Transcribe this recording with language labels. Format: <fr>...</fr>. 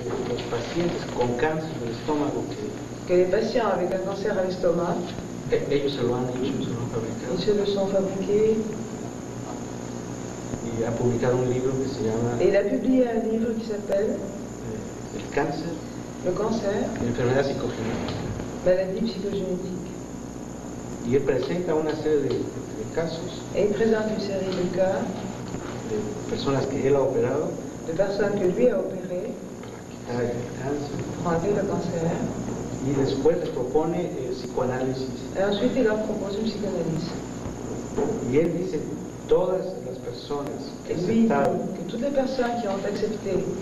<es>los pacientes con cáncer del estómago</es> <fr>que les patients avec un cancer à l'estomac</fr> <es>ellos se lo han hecho, se lo han fabricado.</es> <fr>Ils se le sont fabriqués.</fr> <es>Y ha publicado un libro que se llama.</es> <fr>Et il a publié un livre qui s'appelle</fr> <es>El cáncer.</es> <fr>Le cancer.</fr> <es>Enfermedad psicogenética.</es> <fr>Maladie psychogénétique.</fr> <es>Y él presenta una serie de casos.</es> <fr>Et il présente une série de cas.</fr> <es>De personas que él ha operado,</es> <fr>de personas que lui ha opéré,</fr> <es>para quitar el cáncer, y después les propone el psicoanálisis.</es> <fr>Et ensuite il leur propose une psychanalyse.</fr> <es>Y él dice todas las personas que</es> <fr>que toutes les personnes qui ont accepté</fr>